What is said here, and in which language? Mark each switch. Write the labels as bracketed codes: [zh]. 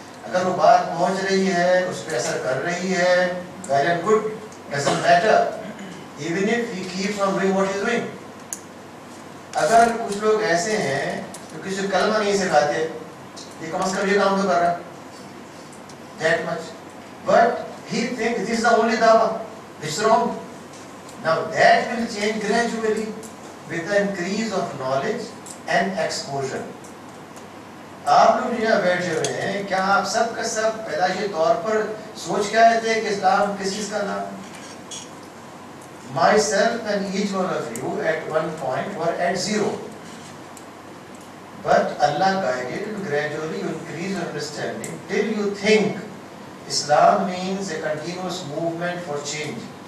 [ur] اگر وہ بات پہنچ رہی ہے [en] اس پہ اثر کر رہی ہے well and good doesn't matter even if he keeps on doing what he is doing. [ur] اگر کچھ لوگ ایسے ہیں تو کسی کلمہ نہیں سکھاتے یہ کم از کم یہ کام تو کر رہا [en] that much but he think this is the only dawa it's wrong. Now that will change gradually with the increase of knowledge and exposure. [ur] آپ لوگ یہاں بیٹھے ہوئے ہیں کیا آپ سب کا سب پیدائشی طور پر سوچ کے آئے تھے کہ اسلام کس چیز کا نام. [en] Myself and each one of you at one point were at zero. But Allah guided and gradually you increase your understanding till you think Islam means a continuous movement for change.